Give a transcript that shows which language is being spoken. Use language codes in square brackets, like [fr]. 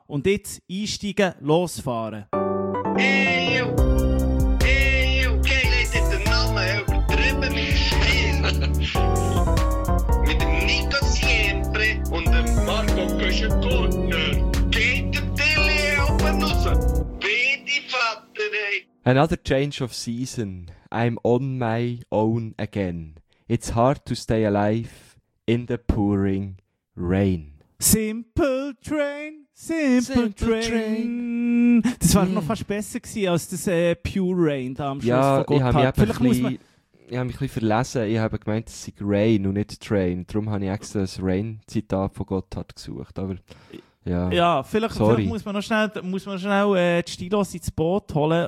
[de] Und jetzt einsteigen, losfahren. Hey, yo. Hey, okay, Leute, der Name «Übertrieben mit Stil». Mit dem Nico Siempre und dem Marco Köschen-Gurtner. Geht der Dilli auf den Nussen? Bitte, Vater, ey. [en] Another change of season. I'm on my own again. It's hard to stay alive in the pouring rain. Simple Train, Simple Train. [de] Das war noch fast besser gewesen als das Pure Rain da am ja, Schluss von Gotthard. Ja, ich habe mich ein bisschen verlesen. Ich habe gemeint, es sei Rain und nicht Train. Darum habe ich extra das Rain-Zitat von Gotthard gesucht. Aber ja, ja vielleicht muss man noch schnell die Stilos ins Boot holen.